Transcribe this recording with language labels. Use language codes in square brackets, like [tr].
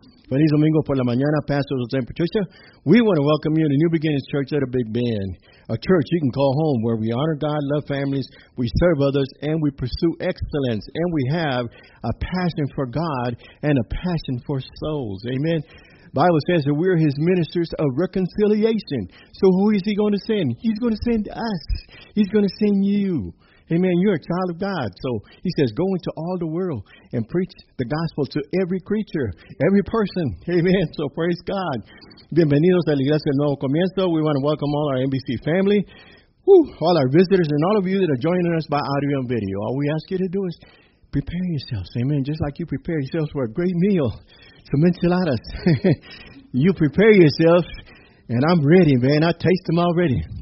[es] Feliz Domingo por la mañana, Pastor Jose and Patricia. [en] We want to welcome you to New Beginnings Church at a Big Bend, a church you can call home where we honor God, love families, we serve others, and we pursue excellence, and we have a passion for God and a passion for souls. Amen. Bible says that we're his ministers of reconciliation. So who is he going to send? He's going to send us. He's going to send you. Amen. You're a child of God. So he says, go into all the world and preach the gospel to every creature, every person. Amen. So praise God. [es] Bienvenidos a la Iglesia del Nuevo Comienzo. [en] We want to welcome all our NBC family, all our visitors, and all of you that are joining us by audio and video. All we ask you to do is prepare yourselves. Amen. Just like you prepare yourselves for a great meal. Some enchiladas. You prepare yourself, and I'm ready, man. I taste them already.